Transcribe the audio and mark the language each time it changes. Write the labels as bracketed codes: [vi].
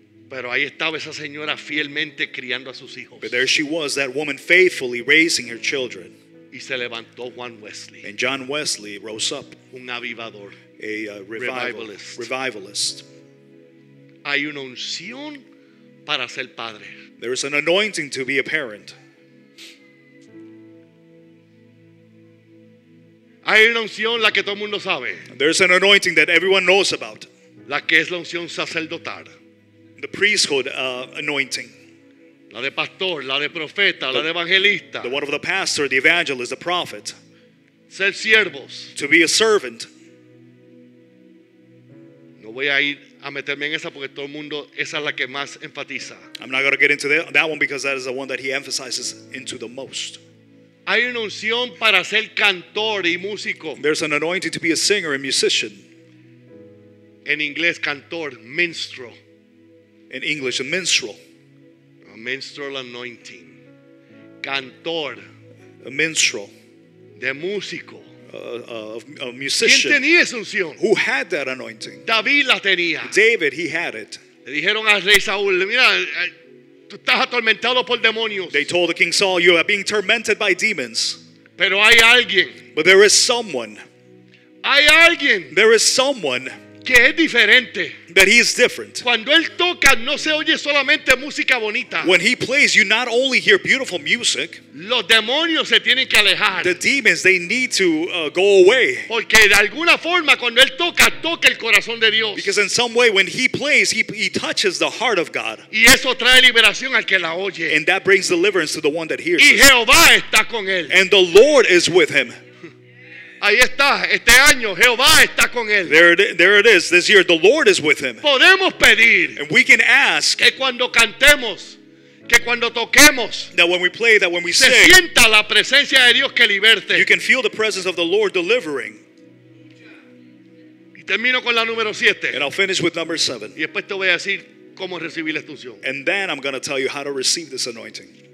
[es] Pero ahí estaba esa señora fielmente criando a sus hijos. [en] But there she was, that woman faithfully raising her children. [es] Y se levantó Juan Wesley. [en] And John Wesley rose up. [es] Un avivador. [en] A revivalist. [es] Hay una unción para ser padre. [en] There is an anointing to be a parent. [es] Hay una unción la que todo mundo sabe. [en] There is an anointing that everyone knows about. [es] La que es la unción sacerdotal. [en] The priesthood anointing. [es] La de pastor, la de profeta, la de evangelista. [en] The one of the pastor, the evangelist, the prophet. [es] Ser siervos. [en] To be a servant. [es] No voy a ir a meterme en esa porque todo el mundo, esa es la que más enfatiza. [en] I'm not going to get into that one because that is the one that he emphasizes into the most. [es] Hay una unción para ser cantor y músico. [en] There's an anointing to be a singer and musician. [es] En inglés, cantor, minstrel. [en] In English, a minstrel. A minstrel anointing. Cantor. A minstrel. [es] De músico. [en] A musician. [es] ¿Quién tenía esa unción? [en] Who had that anointing? [es] David la tenía. [en] David, he had it. [es] Le dijeron al rey Saúl, mira, tú estás atormentado por demonios. [en] They told the king Saul, you are being tormented by demons. [es] Pero hay alguien. [en] But there is someone. [es] Hay alguien. [en] There is someone. [es] Que es diferente. [en] That he is different. [es] Cuando él toca, no se oye solamente música bonita. [en] When he plays, you not only hear beautiful music. [es] Los demonios se tienen que alejar. [en] The demons, they need to go away. [es] Porque de alguna forma, cuando él toca, toca el corazón de Dios. [en] Because in some way, when he plays, he touches the heart of God. [es] Y eso trae liberación al que la oye. [en] And that brings deliverance to the one that hears. [es] Y Jehová está con él. [en] And the Lord is with him. [es] Ahí está, este año Jehová está con él. [en] There it is. This year the Lord is with him. [es] Podemos pedir. [en] And we can ask. [es] Que cuando cantemos, que cuando toquemos. [en] That when we play, that when we [es] se [en] sing. [es] Se sienta la presencia de Dios que liberte. [en] You can feel the presence of the Lord delivering. [es] Y termino con la número 7. [en] And I'll finish with number 7. [es] Y después te voy a decir cómo recibir la unción. [en] And then I'm going to tell you how to receive this anointing.